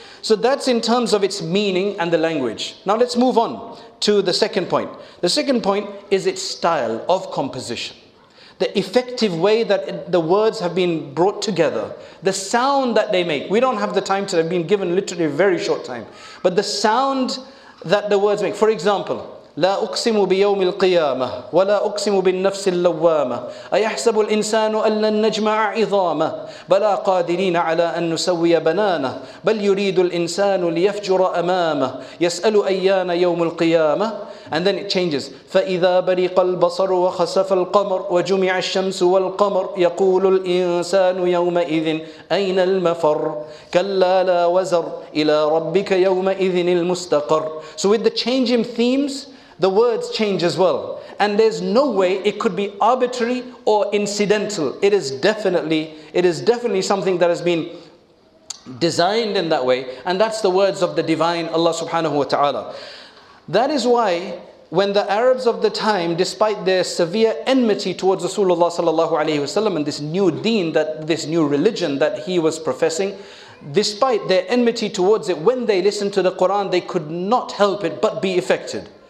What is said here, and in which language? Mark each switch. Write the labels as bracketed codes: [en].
[en] So that's in terms of its meaning and the language. Now let's move on to the second point. The second point is its style of composition. The effective way that the words have been brought together, the sound that they make. We don't have the time to have been given literally a very short time. But the sound that the words make. For example, [ar] لا أقسم بيوم القيامة ولا أقسم بالنفس اللوامة أيحسب الإنسان أن لن نجمع عظامة بلا قادرين على أن نسوي بنانة بل يريد الإنسان ليفجر أمامة يسأل أيان يوم القيامة. [en] And then it changes. [ar] فإذا برق البصر وخسف القمر وجمع الشمس والقمر يقول الإنسان يومئذ أين المفر كلا لا وزر إلى ربك يومئذ المستقر. [en] So with the change in themes, the words change as well. And there's no way it could be arbitrary or incidental. It is definitely something that has been designed in that way. And that's the words of the divine Allah subhanahu wa ta'ala. That is why when the Arabs of the time, despite their severe enmity towards Rasulullah sallallahu alayhi wasallam and this new deen, that this new religion that he was professing, despite their enmity towards it, when they listened to the Quran, they could not help it but be affected.